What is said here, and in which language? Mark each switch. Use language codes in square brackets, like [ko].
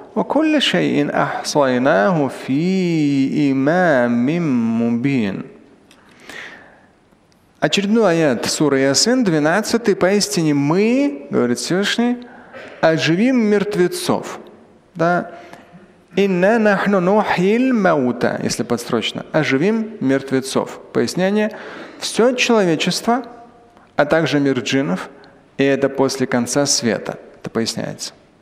[ar] وَكُلَّ شَيْءٍ أَحْصَيْنَاهُ فِي إِمَامٍ مُّبِينٍ. [ru] Очередной аят суры Ясин, 12. «Поистине мы, — говорит Всевышний, — оживим мертвецов». Да? [ar] «إِنَّا نَحْنُ نُحْيِي الْمَوْتَى» – [ru] если подстрочно. «Оживим мертвецов». Пояснение. «Все человечество, а также мир джиннов, и это после конца света». Это поясняется.